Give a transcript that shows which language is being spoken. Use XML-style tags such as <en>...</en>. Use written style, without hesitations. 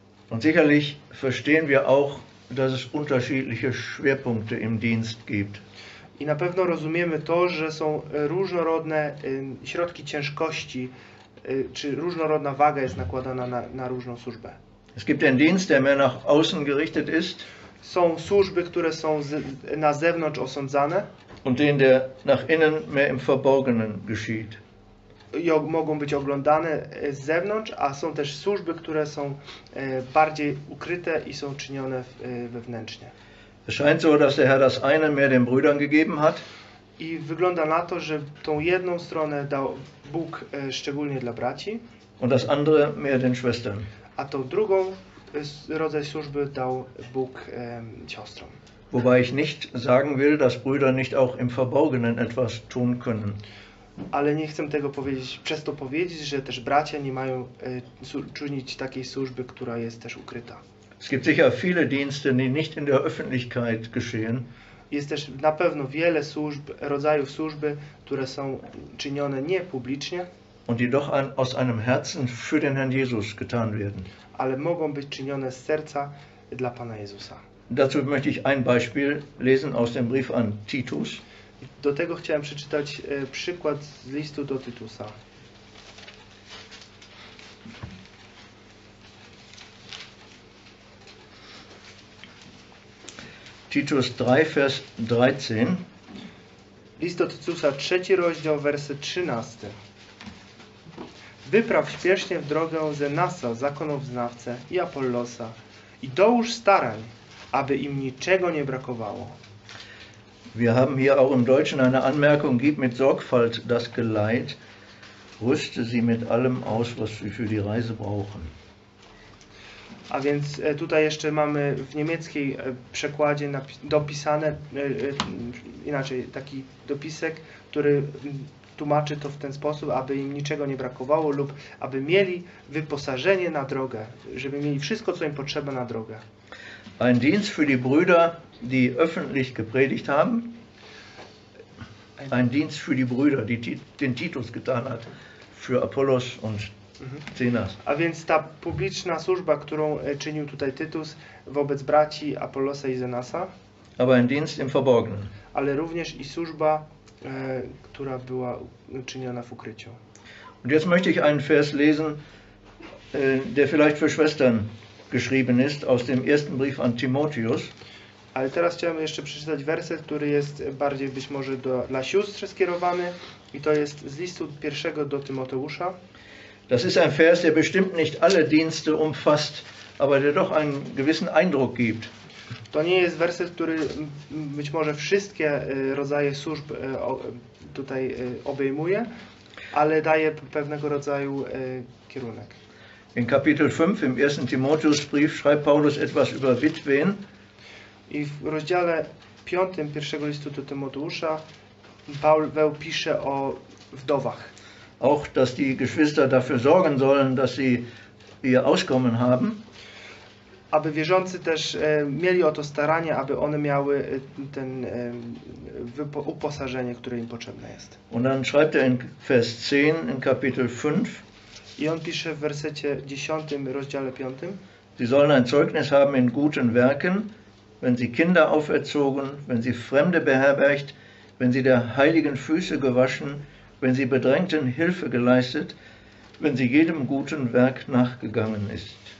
<de>Und sicherlich verstehen wir auch, dass es unterschiedliche Schwerpunkte im Dienst gibt.</de> <pl>I na pewno rozumiemy to, że są różnorodne środki ciężkości, czy różnorodna waga jest nakładana na różną służbę.</pl> <de>Es gibt den Dienst, der mehr nach außen gerichtet ist.</de> <pl>Są służby, które są na zewnątrz osądzane.</pl> <de>Und den, der nach innen mehr im Verborgenen geschieht.</de> <pl>Mogą być oglądane z zewnątrz, a są też służby, które są bardziej ukryte i są czynione wewnętrznie.</pl> <de>Es scheint so, dass der Herr das eine mehr den Brüdern gegeben hat.</de> <pl>I wygląda na to, że tą jedną stronę dał Bóg szczególnie dla braci.</pl> <de>Und das andere mehr den Schwestern.</de> <pl>A tą drugą rodzaj służby dał Bóg siostrom.</pl> <de>Wobei ich nicht sagen will, dass Brüder nicht auch im Verborgenen etwas tun können.</de> <pl>Ale nie chcę tego powiedzieć, przez to powiedzieć, że też bracia nie mają czynić takiej służby, która jest też ukryta.</pl> <de>Es gibt sicher viele Dienste, die nicht in der Öffentlichkeit geschehen.</de> <pl>Jest też na pewno wiele służb, rodzajów służby, które są czynione nie publicznie.</pl> <de>Und die doch aus einem Herzen für den Herrn Jesus getan werden.</de> <pl>Ale mogą być czynione z serca dla Pana Jezusa.</pl> <de>Dazu möchte ich ein Beispiel lesen aus dem Brief an Titus.</de> <pl>Do tego chciałem przeczytać przykład z listu do Tytusa.</pl> <de>Titus 3, Vers 13.</de> <pl>List do Tytusa, 3 rozdział, werset 13. Wypraw śpiesznie w drogę Zenasa, zakonoznawcę, i Apollosa, i dołóż starań, aby im niczego nie brakowało.</pl> <de>Wir haben hier auch im Deutschen eine Anmerkung: Gib mit Sorgfalt das Geleit, rüste sie mit allem aus, was sie für die Reise brauchen.</de> <pl>A więc tutaj jeszcze mamy w niemieckiej przekładzie dopisane, inaczej taki dopisek, który tłumaczy to w ten sposób, aby im niczego nie brakowało lub aby mieli wyposażenie na drogę, żeby mieli wszystko, co im potrzeba na drogę.</pl> <de>Ein Dienst für die Brüder, die öffentlich gepredigt haben. Ein Dienst für die Brüder, die den Titus getan hat, für Apollos und Zenas.</de> <pl>A więc ta publiczna służba, którą czynił tutaj Tytus wobec braci Apollosa i Zenasa.</pl> <de>Aber ein Dienst im Verborgenen.</de> <pl>Ale również i służba, która była czyniona w ukryciu.</pl> <de>Und jetzt möchte ich einen Vers lesen, der vielleicht für Schwestern geschrieben ist, aus dem ersten Brief an Timotheus.</de> <pl>Ale teraz chciałem jeszcze przeczytać werset, który jest bardziej być może dla sióstr skierowany, i to jest z listu pierwszego do Tymoteusza.</pl> <de>Das ist ein Vers, der bestimmt nicht alle Dienste umfasst, aber der doch einen gewissen Eindruck gibt.</de> <pl>To nie jest werset, który być może wszystkie rodzaje służb tutaj obejmuje, ale daje pewnego rodzaju kierunek.</pl> <de>In Kapitel 5 im ersten Timotheusbrief schreibt Paulus etwas über Witwen.</de> <pl>I w rozdziale 5 pierwszego listu do Tymoteusza Paweł pisze o wdowach.</pl> <de>Auch dass die Geschwister dafür sorgen sollen, dass sie ihr Auskommen haben.</de> <pl>Aby wierzący też mieli o to staranie, aby one miały ten uposażenie, które im potrzebne jest.</pl> <de>Und dann schreibt in Vers 10 in Kapitel 5.</de> <pl>I on pisze w wersecie 10 rozdziale 5.</pl> <de>Sie sollen ein Zeugnis haben in guten Werken, wenn sie Kinder auferzogen, wenn sie Fremde beherbergt, wenn sie der heiligen Füße gewaschen, wenn sie Bedrängten Hilfe geleistet, wenn sie jedem guten Werk nachgegangen ist.</de>